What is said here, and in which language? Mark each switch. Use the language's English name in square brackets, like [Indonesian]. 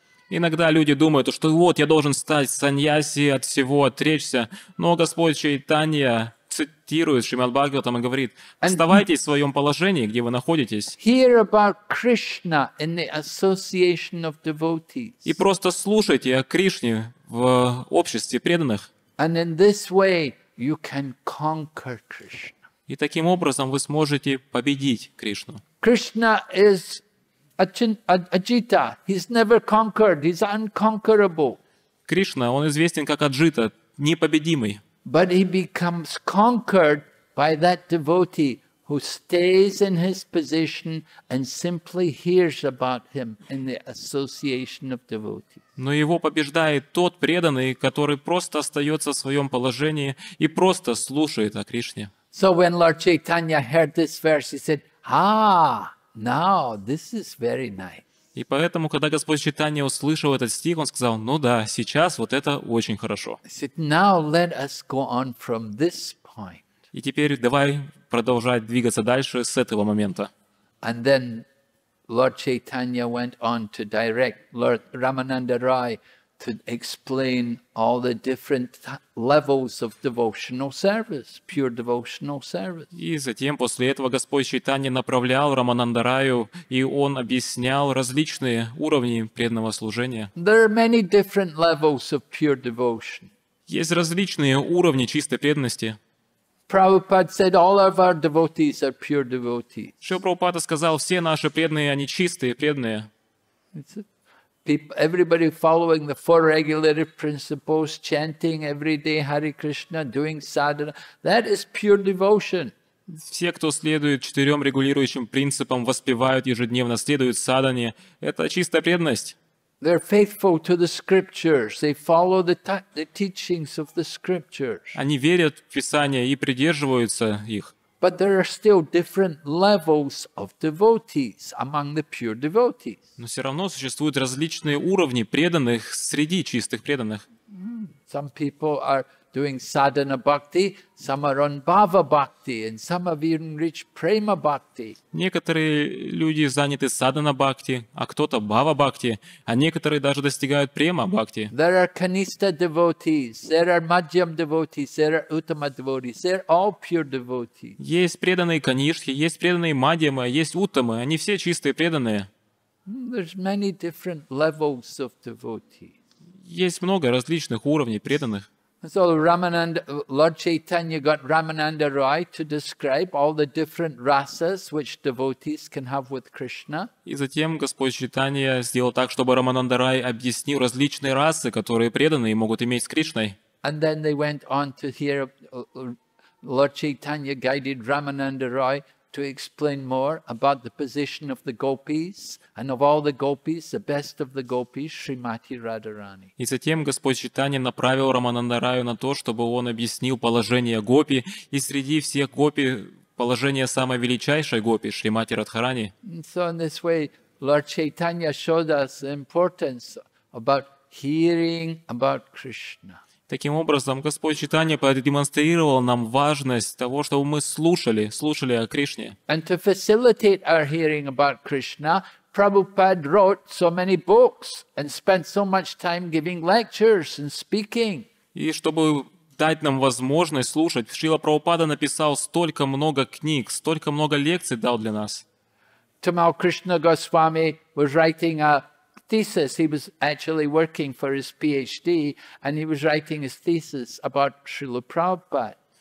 [Russian] Иногда люди думают, что вот, я должен стать саньяси, от всего отречься. Но Господь Чайтанья цитирует Шримад Бхагаватам и говорит, оставайтесь в своем положении, где вы находитесь. [English] Hear about Krishna in the association of devotees. [Russian] И просто слушайте о Кришне в обществе преданных. [English] And in this way you can conquer Krishna. [Russian] И таким образом вы сможете победить Кришну. [English] Krishna is Аджита, he's never conquered, he's unconquerable. [Russian] Кришна, он известен как Аджита, непобедимый. [English] But he becomes conquered by that devotee who stays in his position and simply hears about him in the association of devotees. [Russian] Но его побеждает тот преданный, который просто остается в своем положении и просто слушает о Кришне. [English] So when Lord Chaitanya heard this verse, he said, "Ah." Now this is very nice. [Russian] И поэтому, когда Господь Чайтанья услышал этот стих, он сказал: "Ну да, сейчас вот это очень хорошо." [English] Now let us go on from this point. [Russian] И теперь давай продолжать двигаться дальше с этого момента. [English] And then Lord Chaitanya went on to direct Lord Ramananda Rai to explain all the different levels of devotional service, pure devotional service. [Russian] И затем после этого Господь Чайтанья направлял Рамананда Раю, и он объяснял различные уровни преданного служения. [English] There are many different levels of pure devotion. [Russian] Есть различные уровни чистой преданности. [English] Prabhupada said all of our devotees are pure devotees. [Russian] Шрила Прабхупада сказал, все наши преданные, они чистые преданные. [English] Everybody following the four regulative principles, chanting every day Hare Krishna, doing sadhana, that is pure devotion. [Russian] Все, кто следует четырем регулирующим принципам, воспевают ежедневно, следуют садхане, это чистая преданность. [English] They're faithful to the scriptures. They follow the teachings of the scriptures. [Russian] Они верят в Писание и придерживаются их. [English] But there are still different levels of devotees among the pure devotees. [Russian] Но все равно существуют различные уровни преданных среди чистых преданных. [English] Some people are doing sadhana bhakti, some are on bhava bhakti, and some have even reached prema bhakti. [Russian] Некоторые люди заняты sadhana bhakti, а кто-то bhava bhakti, а некоторые даже достигают prema bhakti. [English] There are kanista devotees, there are madhyam devotees, there are uttama devotees. They're all pure devotees. [Russian] Есть преданные канишки, есть преданные мадьямы, есть уттамы. Они все чистые преданные. [English] There's many different levels of devotees. [Russian] Есть много различных уровней преданных. [English] So Lord Chaitanya got Ramananda Rai to describe all the different rasas which devotees can have with Krishna. [Russian] И затем Господь Чайтанья сделал так, чтобы Рамананда Рай объяснил различные расы, которые преданные могут иметь с Кришной. [English] And then they went on to hear Lord Chaitanya guided Ramananda Rai to explain more about the position of the gopis and of all the gopis, the best of the gopis, Shrimati Radharani. [Russian] И затем Господь Чайтанья направил Рамананда Раю на то, чтобы он объяснил положение гопи и среди всех гопи положение самой величайшей гопи, Шримати Радхарани. [English] So in this way, Lord Chaitanya showed us the importance about hearing about Krishna. [Russian] Таким образом, Господь Чайтанья продемонстрировал нам важность того, чтобы мы слушали о Кришне. [English] And to facilitate our hearing about Krishna, Prabhupada wrote so many books and spent so much time giving lectures and speaking. [Russian] И чтобы дать нам возможность слушать. Шрила Прабхупада написал столько много книг, столько много лекций дал для нас. [English] Tamal Krishna Goswami was writing a thesis. He was actually working for his PhD, and he was writing his thesis about Srila Prabhupada.